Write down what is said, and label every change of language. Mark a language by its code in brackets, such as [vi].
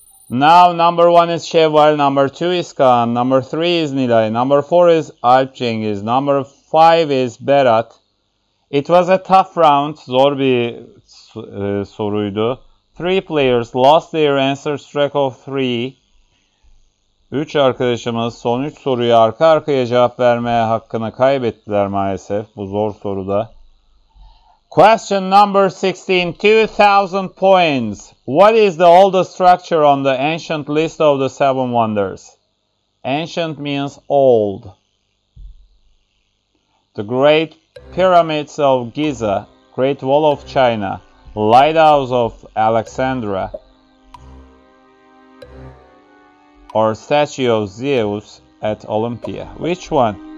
[en] Now, number one is Şevval. Number two is Kaan. Number three is Nilay. Number four is Alp Cengiz. Number five is Berat. It was a tough round. [tr] Zor bir soruydu. [en] Three players lost their answers track of three. [tr] Üç arkadaşımız son üç soruyu arka arkaya cevap vermeye hakkını kaybettiler maalesef bu zor soruda. [en] Question number 16, 2000 points. What is the oldest structure on the ancient list of the seven wonders? Ancient means old. The Great Pyramids of Giza, Great Wall of China, Lighthouse of Alexandria, or Statue of Zeus at Olympia. Which one?